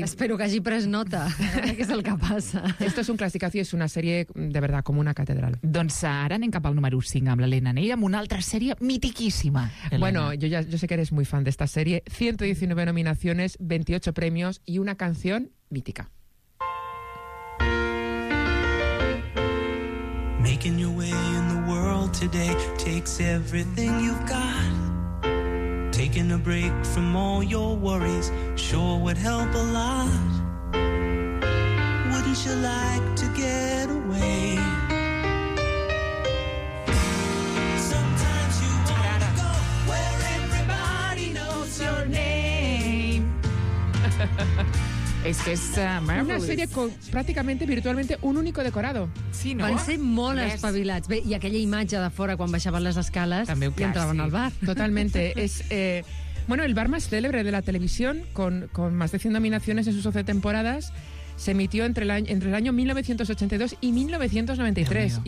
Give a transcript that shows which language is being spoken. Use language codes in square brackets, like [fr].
[ca] Espero que hagi pres nota, que és el que passa. [es] Esto es un clasicazo y es una serie de verdad como una catedral. [ca] Doncs ara anem cap al número 5 amb l'Helena Neira, amb una altra sèrie mitiquíssima. Elena. [es] Bueno, yo sé que eres muy fan de esta serie. 119 nominaciones, 28 premios y una canción mítica. [en] Making your way in the world today takes everything you've got. Take Taking a break from all your worries sure would help a lot. Wouldn't you like to get away? Sometimes you want to go where everybody knows your name. [ca] És que és marvelous. [es] Una sèrie con, pràcticamente, virtualmente, un único decorado. Sí, no? [ca] Van ser molt yes. espavilats. Bé, i aquella imatge de fora quan baixaven les escales també, clar, i entraven sí. al bar. [es] Totalmente. És, bueno, el bar más célebre de la televisión, con más de 100 nominaciones en sus 11 temporadas, se emitió entre el año 1982 y 1993.